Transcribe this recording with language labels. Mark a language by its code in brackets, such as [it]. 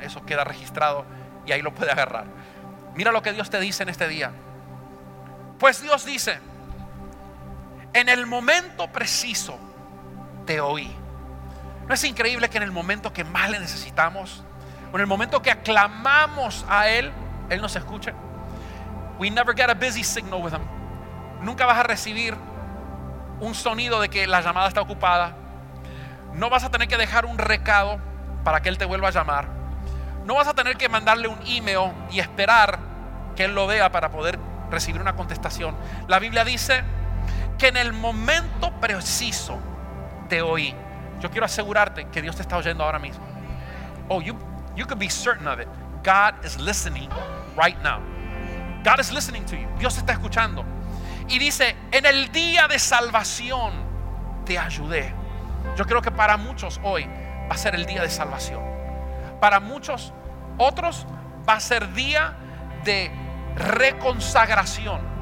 [es] Eso queda registrado y ahí lo puede agarrar. Mira lo que Dios te dice en este día. Pues Dios dice: en el momento preciso te oí. ¿No es increíble que en el momento que más le necesitamos, o en el momento que aclamamos a Él, Él nos escuche? [en] We never get a busy signal with Him. [es] Nunca vas a recibir un sonido de que la llamada está ocupada. No vas a tener que dejar un recado para que Él te vuelva a llamar. No vas a tener que mandarle un email y esperar que Él lo vea para poder recibir una contestación. La Biblia dice que en el momento preciso te oí. Yo quiero asegurarte que Dios te está oyendo ahora mismo. [en] Oh, you could be certain of it. God is listening right now. God is listening to you. [es] Dios está escuchando. Y dice: en el día de salvación te ayudé. Yo creo que para muchos hoy va a ser el día de salvación. Para muchos otros va a ser día de reconsagración.